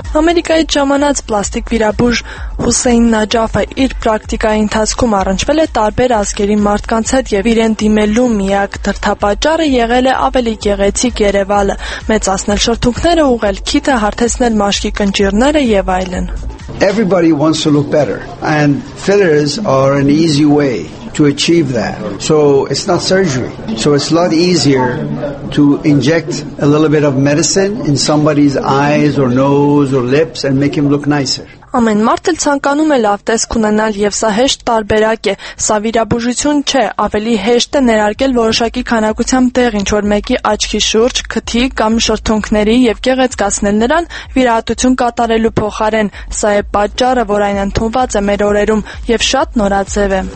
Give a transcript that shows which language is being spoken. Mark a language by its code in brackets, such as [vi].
[hy] Ամերիկայից ժամանած պլաստիկ վիրաբուժ Հուսեյն Նաջաֆը իր պրակտիկայի ընթացքում առնչվել է տարբեր ազգերի մարդկանց հետ և իրեն դիմելու միակ դրդապատճառը եղել է ավելի գեղեցիկ Երևանը, մեծացնել շրթունքները, ուղղել քիթը, հարթեցնել մաշկի կնճիռները և այլն։ [en] Everybody wants to look better, and fillers are an easy way to achieve that. So it's not surgery. So it's a lot easier to inject a little bit of medicine in somebody's eyes or nose or lips and make him look nicer. [hy] Ամեն մարդ էլ ցանկանում է լավ տեսք ունենալ և սա հեշտ տարբերակ է, սա վիրաբուժություն չէ, ավելի հեշտ է ներարկել որոշակի քանակությամբ դեղ ինչ-որ մեկի աչքի շուրջ, քթի կամ շրթունքների և գեղեցկացնել նրան վիրահատություն կատարելու փոխարեն, սա է պատճառը, որ այն ընդունված է մեր օրերում և շատ նորաձև է։